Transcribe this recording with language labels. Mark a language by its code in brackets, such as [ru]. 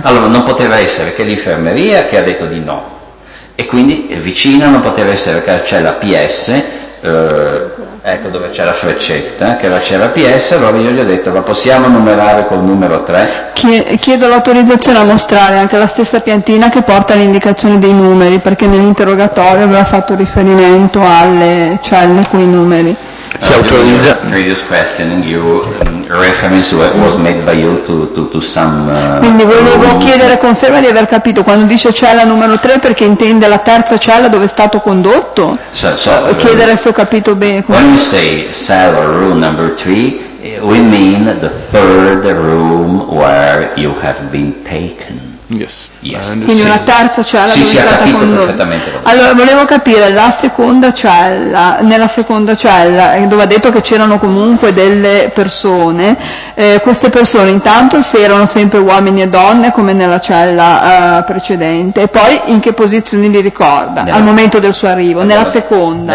[it] Allora non poteva essere che l'infermeria che ha detto di no, e quindi vicina non poteva essere che la cella PS, ecco dove c'è la freccetta, che la cella PS, allora io gli ho detto ma possiamo numerare col numero 3? Chiedo l'autorizzazione a mostrare anche la stessa piantina che porta l'indicazione dei numeri, perché nell'interrogatorio aveva fatto riferimento alle celle con i numeri. Si autorizza. [en] Previous questioning, you reference was made by you to some. [it] Quindi volevo chiedere conferma di aver capito quando dice cella numero 3, perché intende la terza cella dove è stato condotto. [en] So, [it] chiedere se ho capito bene. [en] When you say cell or room number 3, we mean the third room where you have been taken. Yes. [it] Quindi una terza cella dove è stata condotta. Allora volevo capire la seconda cella, nella seconda cella dove ha detto che c'erano comunque delle persone, queste persone intanto se erano sempre uomini e donne come nella cella precedente, e poi in che posizioni li ricorda al momento del suo arrivo, nella seconda.